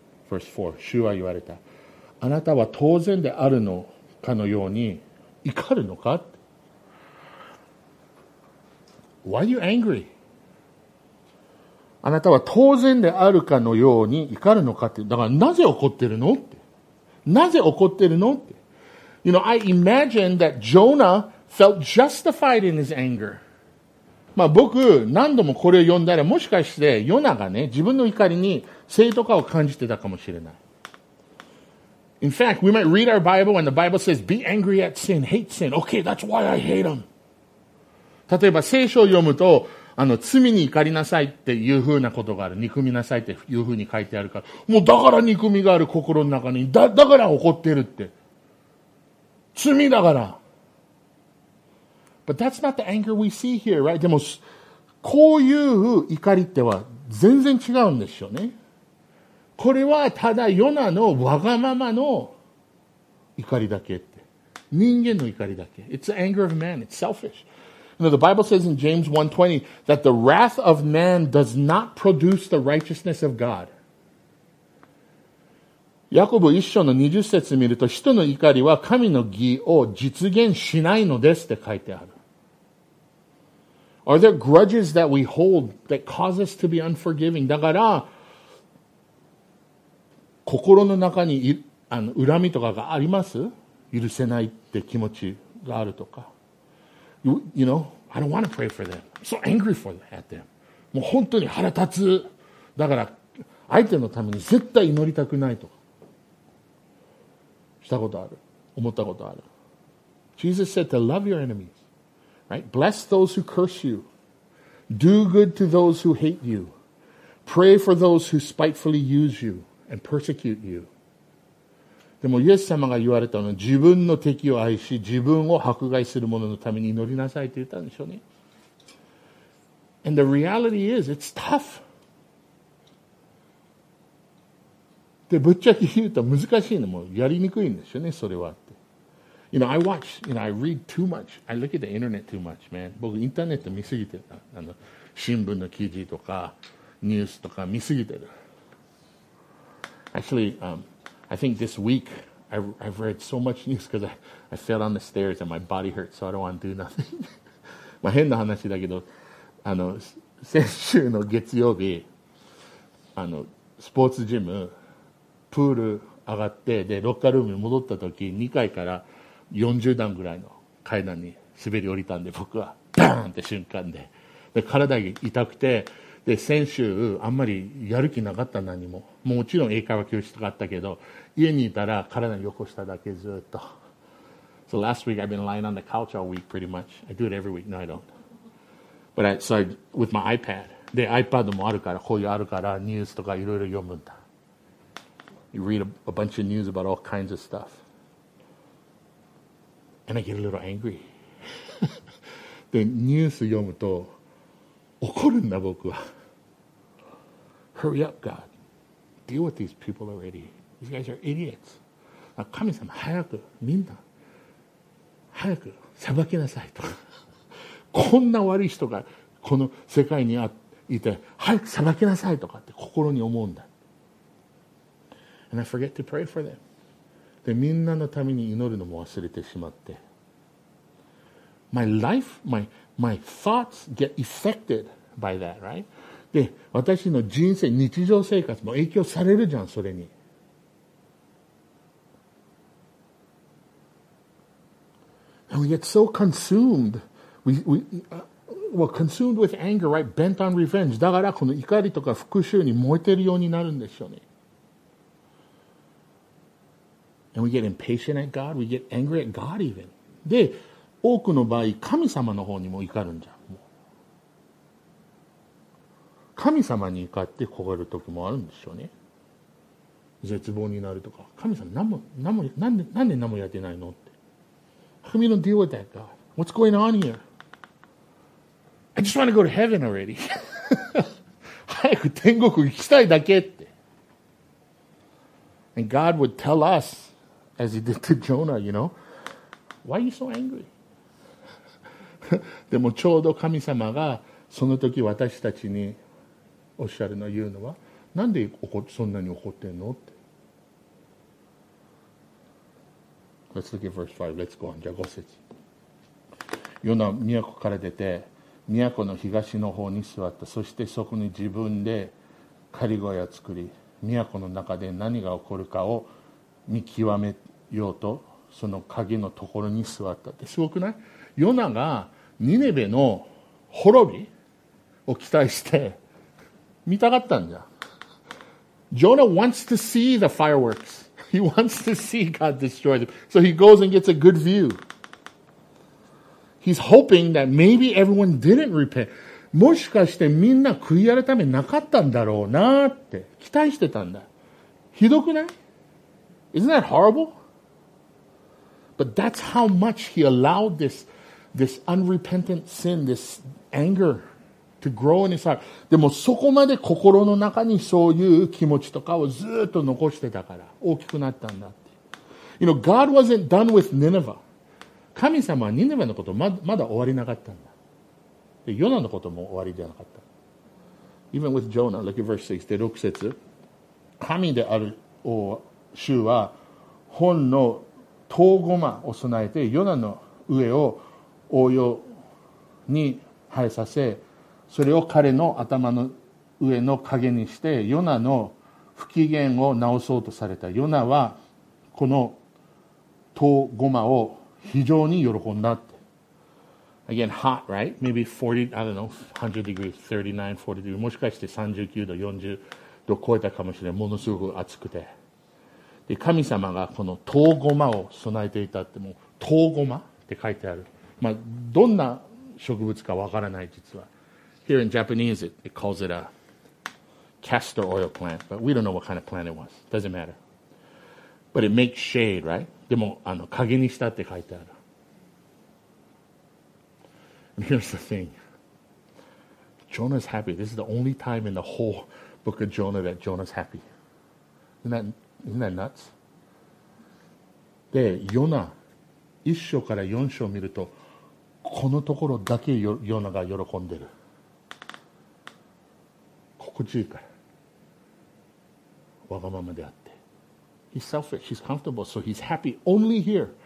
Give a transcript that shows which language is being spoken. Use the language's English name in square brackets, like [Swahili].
[English] Verse 4、 [Japanese] 主は言われた、あなたは当然であるのかのように怒るのか。 [English] Why are you angry? [Japanese] あなたは当然であるかのように怒るのかって。だからなぜ怒ってるのって、なぜ怒ってるのって。 [English] You know, I imagine that Jonah felt justified in his anger. [Japanese] まあ、僕何度もこれを読んだらもしかしてヨナがね自分の怒りに正当化を感じてたかもしれない。 [English] In fact, we might read our Bible and the Bible says be angry at sin, hate sin. Okay, that's why I hate him. [Japanese] 例えば聖書を読むと罪に怒りなさいっていう風なことがある、憎みなさいっていう風に書いてあるから、もうだから憎みがある心の中に、だから怒ってるって、罪だから。 [English] But that's not the anger we see here, right? [Japanese] でもこういう怒りっては全然違うんですよね。これはただヨナのわがままの怒りだけって、人間の怒りだけ。 [English] It's the anger of man, it's selfish. You know, the Bible says in James 1:20 that the wrath of man does not produce the righteousness of God. [Japanese] ヤコブ1章の20節を見ると、人の怒りは神の義を実現しないのですって書いてある。 [English] Are there grudges that we hold that cause us to be unforgiving? [Japanese] だから心の中に恨みとかがあります？許せないって気持ちがあるとか。 [English] You know, I don't want to pray for them. I'm so angry at them. [Japanese] もう本当に腹立つ。だから相手のために絶対祈りたくないとか。したことある。思ったことある。 [English] Jesus said to love your enemies. Right? Bless those who curse you. Do good to those who hate you. Pray for those who spitefully use you. And persecute you. [Japanese] でもイエス様が言われたのは、自分の敵を愛し自分を迫害する者のために祈りなさいと言ったんでしょうね。 [English] And the reality is, it's tough. [Japanese] でぶっちゃけ言うと難しいの、もうやりにくいんですよね、それはって。 [English] You know, I watch, you know, I read too much. I look at the internet too much, man. [Japanese] 僕インターネット見すぎてる。新聞の記事とかニュースとか見すぎてる。 [English] Actually, I think this week I've read so much news because I fell on the stairs and my body hurts, so I don't want to do nothing. [Japanese] まあ変な話だけど、先週の月曜日、スポーツジム、プール上がって、で、ロッカールームに戻った時、2階から40段ぐらいの階段に滑り降りたんで、僕は、バーンって瞬間で。で、体が痛くて、で先週あんまりやる気なかった、何も、もちろん英会話教室とかあったけど、家にいたら体を横しただけずっと。 [English] So last week I've been lying on the couch all week pretty much. I do it every week. No, I don't. But I, so I, with my iPad. [Japanese] で iPad もあるから、こういうあるからニュースとかいろいろ読むんだ。 [English] You read a bunch of news about all kinds of stuff. And I get a little angry. [Japanese] でニュース読むと怒るんだ僕は。 [English] Hurry up, God. Deal with these people already. These guys are idiots. [Japanese] 神様早く、みんな早く裁きなさいとか、こんな悪い人がこの世界にいて早く裁きなさいとかって心に思うんだ。 [English] And I forget to pray for them. [Japanese] でみんなのために祈るのも忘れてしまって、 [English] My life, my thoughts get affected by that, right? [Japanese] で、私の人生、日常生活も影響されるじゃん、それに。 [English] And we get so consumed. We're consumed with anger, right? Bent on revenge. [Japanese] だから、この怒りとか復讐に燃えてるようになるんでしょうね。 [English] And we get impatient at God. We get angry at God even. [Japanese] で、多くの場合神様の方にも怒るんじゃん、もう神様に怒って焦がる時もあるんでしょうね。絶望になるとか、神様何もなんで何もやってないのって。 [English] How can you deal with that, God? What's going on here? I just want to go to heaven already. [Japanese] 早く天国行きたいだけって。 [English] And God would tell us as he did to Jonah, you know, why are you so angry? [Japanese] でもちょうど神様がその時私たちにおっしゃるの、言うのは、なんでそんなに怒ってんのって。 [English] Let's look at verse 5. Let's go on. [Japanese] じゃあ5節。ヨナ都から出て都の東の方に座った。そしてそこに自分で狩り小屋を作り、都の中で何が起こるかを見極めようとその影のところに座ったって。すごくない？ヨナがニネベの滅びを期待して見たかったんじゃ。 [English] Jonah wants to see the fireworks. He wants to see God destroy them. So he goes and gets a good view. He's hoping that maybe everyone didn't repent. [Japanese] もしかしてみんな悔い改めなかったんだろうなって期待してたんだ。ひどくない? [English] Isn't that horrible? But that's how much he allowed this unrepentant sin, this anger. To grow in his heart. [Japanese] でもそこまで心の中にそういう気持ちとかをずっと残してたから大きくなったんだって。 [English] You know, God wasn't done with Nineveh. [Japanese] 神様はニネベのことまだ終わりなかったんだ。で、ヨナのことも終わりではなかった。 [English] Even with Jonah, look at verse 6, [Japanese] 6節。神である主は本の遠駒を備えてヨナの上を応用に生えさせ、それを彼の頭の上の影にしてヨナの不機嫌を直そうとされた。ヨナはこの唐ゴマを非常に喜んだって。 [English] Again, hot, right? Maybe 40, I don't know, 100 degrees, 39, 40 degrees. [Japanese] もしかして39度、40度超えたかもしれない。ものすごく暑くて。で、神様がこの唐ゴマを備えていたって、もう唐ゴマって書いてある。まあ、どんな植物かわからない、実は。 [English] Here in Japanese, it calls it a castor oil plant, but we don't know what kind of plant it was. Doesn't matter. But it makes shade, right? [Japanese] でも、あの、影にしたって書いてある。 [English] And here's the thing. Jonah's happy. This is the only time in the whole book of Jonah that Jonah's happy. Isn't that nuts? [Japanese] で、ヨナ、一章から四章を見ると、このところだけヨナが喜んでる。こっちいいから。わがままであって。 [English] He's selfish. He's comfortable. So he's happy only here.